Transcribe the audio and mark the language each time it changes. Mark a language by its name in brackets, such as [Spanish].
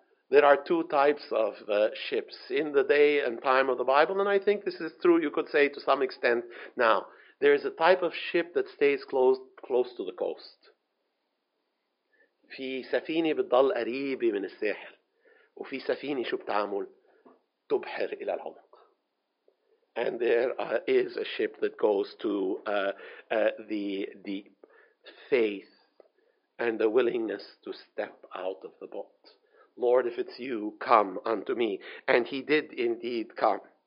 [English] There are two types of ships in the day and time of the Bible, and I think this is true, you could say, to some extent. Now, there is a type of ship that stays close to the coast. [Arabic] في سفينة بتضل قريبة من الساحل وفي سفينة شو بتعمل؟ تبحر إلى العمق. [English] And there is a ship that goes to the deep. Faith and the willingness to step out of the boat. Lord, if it's you, come unto me. And he did indeed come.